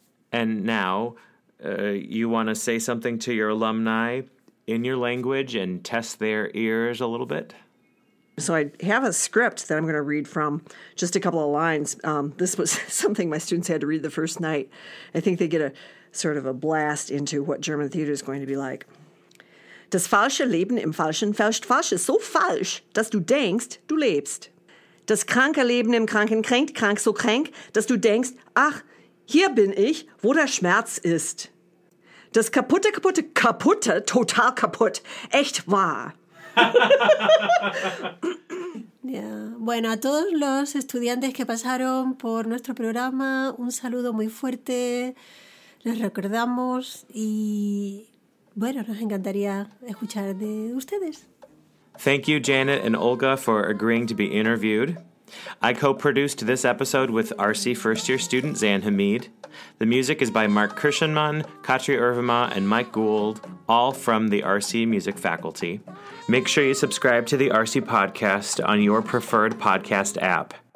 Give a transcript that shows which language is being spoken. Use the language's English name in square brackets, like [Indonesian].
[English] And now you want to say something to your alumni in your language and test their ears a little bit? So I have a script that I'm going to read from, just a couple of lines. This was something my students had to read the first night. I think they get a sort of a blast into what German theater is going to be like. [German] Das falsche Leben im falschen Feld falsch ist so falsch, dass du denkst, du lebst. Das kranke Leben im Kranken kränkt krank so kränk, dass du denkst, ach, hier bin ich, wo der Schmerz ist. Das kaputte, kaputte, kaputte, total kaputt, echt wahr. [English] Yeah. [Spanish] Bueno, a todos los estudiantes que pasaron por nuestro programa, un saludo muy fuerte. Les recordamos y, bueno, nos encantaría escuchar de ustedes. [English] Thank you, Janet and Olga, for agreeing to be interviewed. I co-produced this episode with RC first-year student Zan Hamid. The music is by Mark Krishenman, Katri Irvima, and Mike Gould, all from the RC Music faculty. Make sure you subscribe to the RC Podcast on your preferred podcast app.